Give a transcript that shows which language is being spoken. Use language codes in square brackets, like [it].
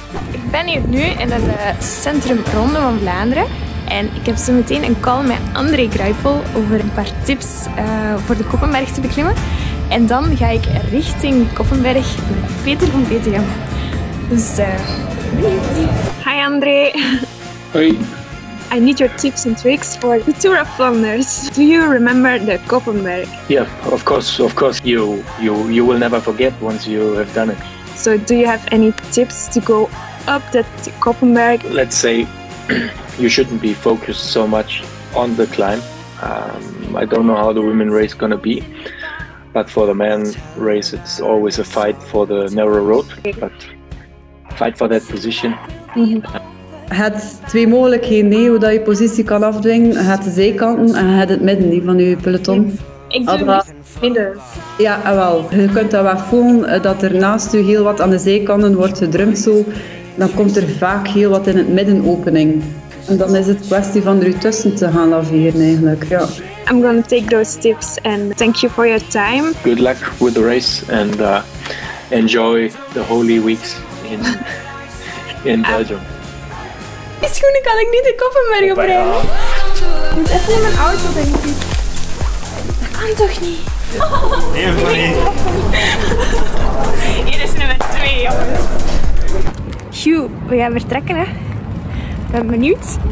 [nl] Ik ben hier nu in het centrum Ronde van Vlaanderen. En ik heb zo meteen een call met André Gruyffel over een paar tips voor de Koppenberg te beklimmen. En dan ga ik richting Koppenberg met Peter van PTM. Dus, hi André. Hoi. [en] I need your tips and tricks for the Tour of Flanders. Do you remember the Koppenberg? Yeah, of course. You will never forget once you have done it. So do you have any tips to go up that Koppenberg? Let's say you shouldn't be focused so much on the climb. I don't know how the women race gonna be, but for the men race it's always a fight for the narrow road, but fight for that position. [nl] Je hebt twee mogelijkheden, nee, hoe je positie kan afdwingen. Je hebt de zijkanten en je hebt het midden, die van je peloton. Ik doe het midden. Ja, wel. Je kunt dat wel voelen dat er naast je heel wat aan de zijkanten wordt gedrumd zo. Dan komt er vaak heel wat in het midden opening. En dan is het kwestie van er tussen te gaan laveren eigenlijk, ja. [en] I'm gonna take those tips and thank you for your time. Good luck with the race and enjoy the holy weeks in Belgium. [nl] Die schoenen kan ik niet de Koppenberg opbrengen. Ik moet even in mijn auto, denk ik. Dat kan toch niet? Oh. Nee, voor niet. Hier is nummer 2, jongens. Hugh, we gaan vertrekken, hè. Ik ben benieuwd.